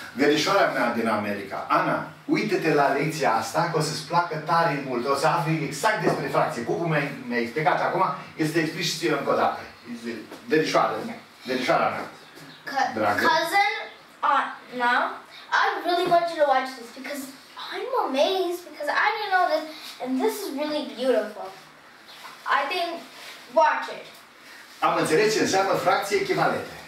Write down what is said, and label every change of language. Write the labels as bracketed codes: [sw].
[ro] Verișoara mea din America, Ana, uită-te la lecția asta, că o să-ți placă tare mult, o să afli exact despre fracție. Cum mi-ai explicat acum, este să te explici și încă o dată. Verișoara mea, dragă. [en] Cousin Ana, I really want you to watch this, because I'm amazed, because I didn't know this, and this is really beautiful. I think, watch it. [ro] Am înțeles ce înseamnă fracție echivalente.